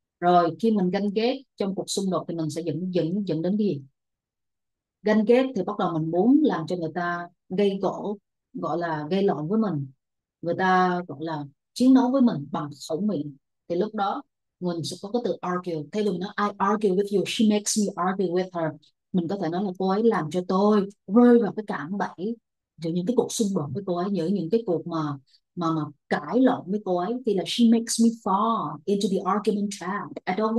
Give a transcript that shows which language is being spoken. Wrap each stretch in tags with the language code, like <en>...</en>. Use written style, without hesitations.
<vi>Rồi khi mình ganh ghét trong cuộc xung đột thì mình sẽ dẫn dẫn dẫn đến cái gì? Ganh ghét thì bắt đầu mình muốn làm cho người ta gây gỗ, gọi là gây lộn với mình. Người ta gọi là chiến đấu với mình bằng khẩu miệng. Thì lúc đó mình sẽ có cái từ argue. Thay vì mình nói</vi> <en>I argue with you, she makes me argue with her.</en> <vi>Mình có thể nói là cô ấy làm cho tôi rơi vào cái cạm bẫy, giữa những cái cuộc xung đột với cô ấy, giữa những cái cuộc mà cãi lộn với cô ấy, thì là</vi> <en>she makes me fall into the argument trap.</en>